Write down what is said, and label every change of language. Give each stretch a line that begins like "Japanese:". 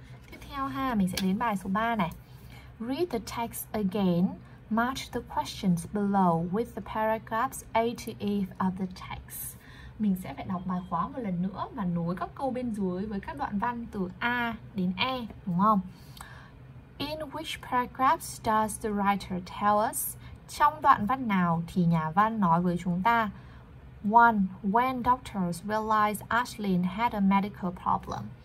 Vietnamese: Tiếp theo ha, mình sẽ đến bài số 3 này.
English: Read the text again. Match the questions below with the paragraphs A to E of the text.
Vietnamese: Mình sẽ phải đọc bài khóa một lần nữa và nối các câu bên dưới với các đoạn văn từ A đến E, đúng không?
English: In which paragraphs does the writer tell us?
Vietnamese: Trong đoạn văn nào thì nhà văn nói với chúng ta? 1.
English: When doctors realized Ashley had a medical problem.